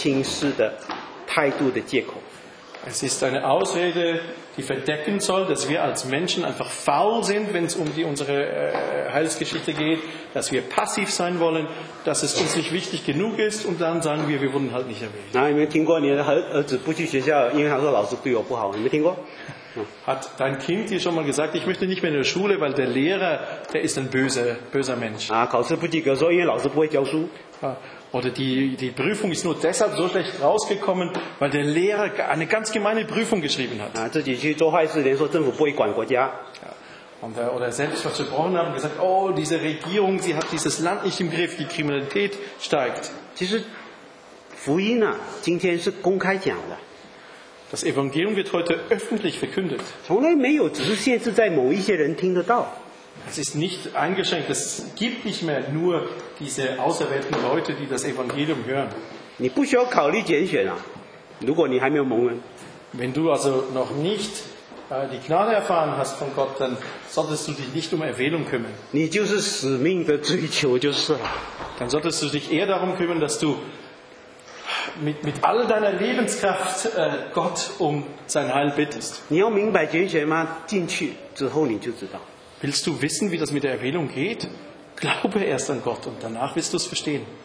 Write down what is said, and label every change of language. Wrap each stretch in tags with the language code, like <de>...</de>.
<zh>就是人对上帝恩典一种懒惰、被动、轻视的态度的借口。</zh> <de>Es ist eine Ausrede, die verdecken soll, dass wir als Menschen einfach faul sind, wenn es um unsere Heilsgeschichte geht, dass wir passiv sein wollen, dass es uns nicht wichtig genug ist und dann sagen wir, wir wurden halt nicht erwähnt.</de> <zh>你们听过你的儿子不去学校，因为他说老师对我不好，你们听过？</zh> <de>Hat dein Kind dir schon mal gesagt, ich möchte nicht mehr in der Schule, weil der Lehrer, der ist ein böser Mensch.</de> <zh>考试不及格说，因为老师不会教书。</zh> <de>Oder die Prüfung ist nur deshalb so schlecht rausgekommen, weil der Lehrer eine ganz gemeine Prüfung geschrieben hat.</de> <zh>自己去做坏事，连说政府不会管国家。</zh> <de>Oder selbst was gebrochen haben, gesagt, oh, diese Regierung, sie hat dieses Land nicht im Griff, die Kriminalität steigt.</de> <zh>其实福音啊，今天是公开讲的。</zh> <de>Das Evangelium wird heute öffentlich verkündet.</de> <zh>从来没有，只是限制在某一些人听得到。</zh> <de>Es ist nicht eingeschränkt. Es gibt nicht mehr nur diese auserwählten Leute, die das Evangelium hören.</de> <zh>你不需要考虑拣选啊，如果你还没有蒙恩。</zh> <de>Wenn du also noch nicht die Gnade erfahren hast von Gott, dann solltest du dich nicht um Erwählung kümmern.</de> <zh>你就是使命的追求就是了。</zh> <de>Dann solltest du dich eher darum kümmern, dass du mit all deiner Lebenskraft Gott um sein Heil bittest.</de> <zh>你要明白拣选吗？进去之后你就知道。</zh> <de>Willst du wissen, wie das mit der Erwählung geht? Glaube erst an Gott und danach wirst du es verstehen.</de>